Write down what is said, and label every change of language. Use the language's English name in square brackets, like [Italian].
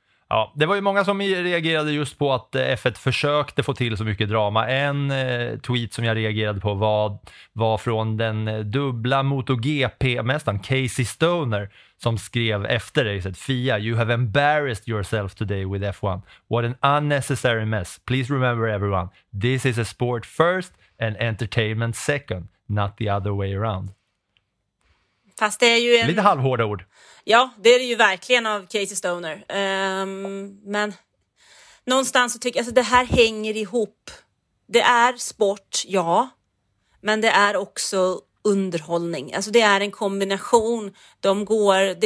[Swedish] Ja, det var ju många som reagerade just på att F1 försökte få till så mycket drama. En tweet som jag reagerade på var från den dubbla MotoGP-mästaren Casey Stoner, som skrev efter racet: [English] FIA, you have embarrassed yourself today with F1. What an unnecessary mess. Please remember everyone, this is a sport first and entertainment second. Not the other way around. [Swedish] Fast det är ju en... lite halvhårda ord. Ja, det är det ju verkligen av Casey Stoner. Men någonstans så tycker jag... alltså, det här hänger ihop. Det är sport, ja. Men det är också underhållning. Alltså det är en kombination. De går...